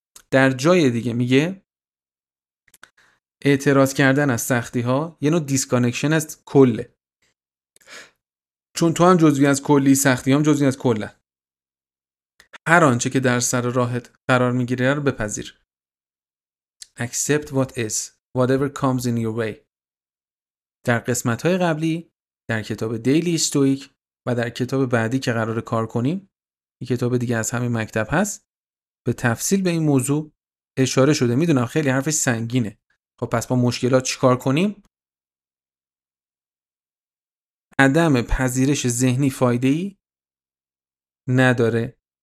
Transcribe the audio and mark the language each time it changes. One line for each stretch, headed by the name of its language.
Persian: در جای دیگه میگه اعتراض کردن از سختی ها یه نوع دیسکانکشن از کله، چون تو هم جزوی از کلی، سختی هم جزوی از کله. هر آنچه که در سر راهت قرار میگیره رو بپذیر.
English: Accept what is, whatever comes in your way.
Persian: در قسمت‌های قبلی، در کتاب دیلی استویک و در کتاب بعدی که قرار کار کنیم، این کتاب دیگه از همین مکتب هست، به تفصیل به این موضوع اشاره شده. میدونم خیلی حرفش سنگینه. خب پس با مشکلات چیکار کنیم؟ عدم پذیرش ذهنی فایده‌ای نداره.